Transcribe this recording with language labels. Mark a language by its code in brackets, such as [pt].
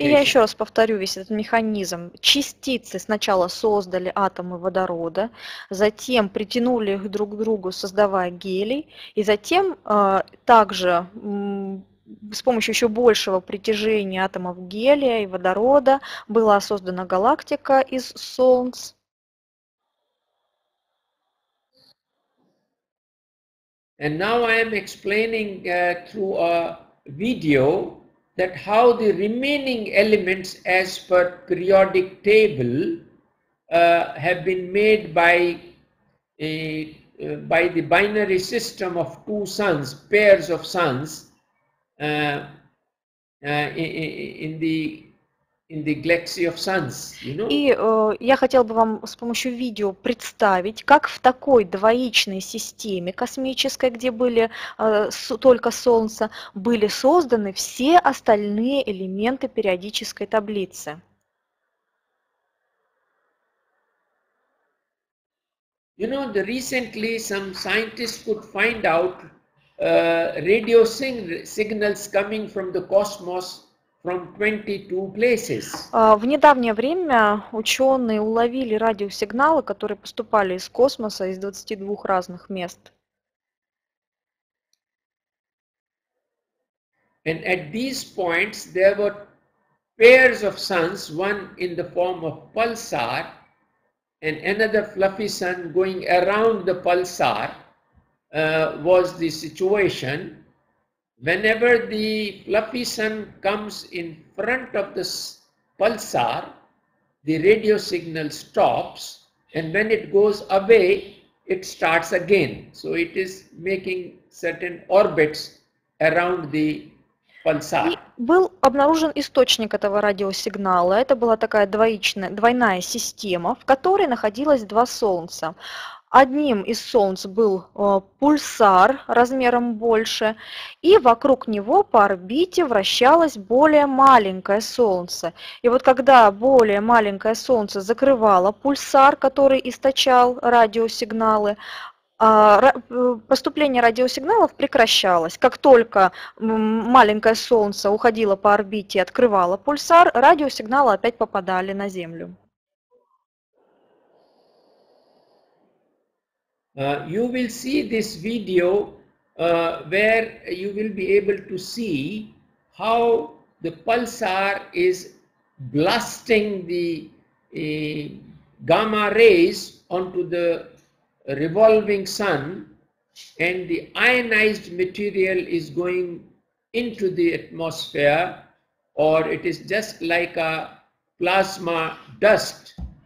[ru] И я еще раз повторю весь этот механизм. Частицы сначала создали атомы водорода, затем притянули их друг к другу, создавая гелий, и затем также с помощью еще большего притяжения атомов гелия и водорода была создана галактика из солнц. [en] And now I am explaining through a video that how the remaining elements as per periodic table have been made by the binary system of two suns, pairs of suns in the galaxy of suns, you know? [ru] И я хотел бы вам с помощью видео представить, как в такой двоичной системе космической, где были только Солнце, были созданы все остальные элементы периодической таблицы. [en] You know, recently some scientists could find out radio signals coming from the cosmos from 22 places. [ru] В недавнее время ученые уловили радиосигналы, которые поступали из космоса из 22 разных мест. [en] And at these points there were pairs of suns, one in the form of pulsar and another fluffy sun going around the pulsar was the situation. Whenever the fluffy sun comes in front of the pulsar, the radio signal stops, and when it goes away, it starts again. So it is making certain orbits around the pulsar. [ru] Был обнаружен источник этого радиосигнала. Это была такая двойная система, в которой находилось два солнца. Одним из солнц был пульсар размером больше, и вокруг него по орбите вращалось более маленькое солнце. И вот когда более маленькое солнце закрывало пульсар, который источал радиосигналы, поступление радиосигналов прекращалось. Как только маленькое солнце уходило по орбите и открывало пульсар, радиосигналы опять попадали на Землю. [en] You will see this video where you will be able to see how the pulsar is blasting the gamma rays onto the revolving sun, and the ionized material is going into the atmosphere, or it is just like a plasma dust.